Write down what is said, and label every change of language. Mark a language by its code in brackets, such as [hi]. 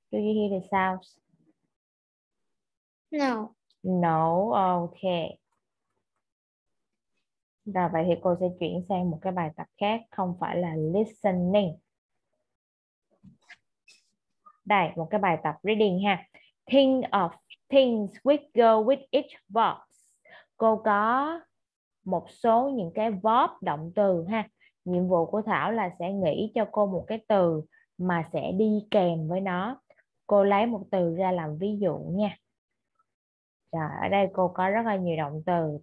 [en] Do you hear the sounds? No. No, okay. [vi] Rồi vậy thì cô sẽ chuyển sang một cái bài tập khác, không phải là listening. Đây, một cái bài tập reading ha. [en] Think of things which go with each verb. [vi] Cô có một số những cái verb động từ ha. Nhiệm vụ của Thảo là sẽ nghĩ cho cô một cái từ mà sẽ đi kèm với nó. Cô lấy một từ ra làm ví dụ nha. Rồi, ở đây cô có rất là nhiều động từ.